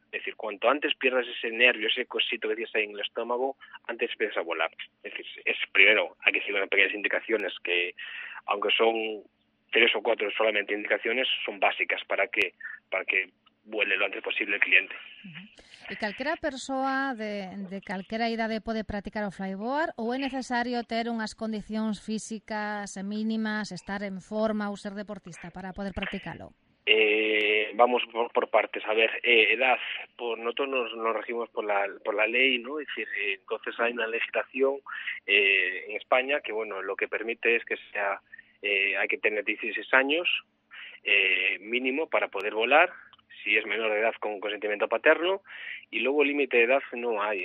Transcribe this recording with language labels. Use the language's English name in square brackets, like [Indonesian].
[Spanish] Es decir, cuanto antes pierdas ese nervio, ese cosito que tienes ahí en el estómago, antes empiezas a volar. Es decir, es primero, hay que seguir unas pequeñas indicaciones que, aunque son 3 o 4 solamente indicaciones, son básicas para que vuele lo antes posible el cliente. Uh-huh. [Galician] ¿Y calquera persoa de calquera idade pode practicar o flyboard ou é necesario ter unhas condicións físicas mínimas, estar en forma ou ser deportista para poder practicarlo? [Spanish] Vamos por partes. A ver, edad, por nosotros nos regimos por la ley, ¿no? Es decir, entonces hay una legislación en España que, bueno, lo que permite es que sea hay que tener 16 años mínimo para poder volar, si es menor de edad con consentimiento paterno, y luego límite de edad no hay.